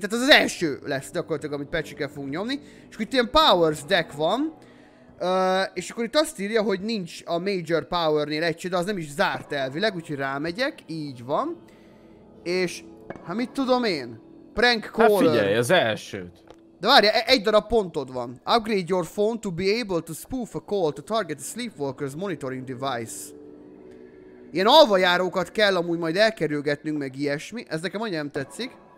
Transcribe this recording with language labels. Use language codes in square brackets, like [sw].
[hu] Tehát ez az első lesz gyakorlatilag, amit Patrick-el fogunk nyomni. És itt ilyen powers deck van. És akkor itt azt írja, hogy nincs a major powernél egy cső, de az nem is zárt elvileg, úgyhogy rámegyek, így van. És hát mit tudom én? Prank caller. Hát figyelj, az elsőt. De várja, egy darab pontod van. [en] Upgrade your phone to be able to spoof a call to target a sleepwalker's monitoring device. [hu] Ilyen alvajárókat kell amúgy majd elkerülgetnünk meg ilyesmi. Ez nekem annyira nem tetszik.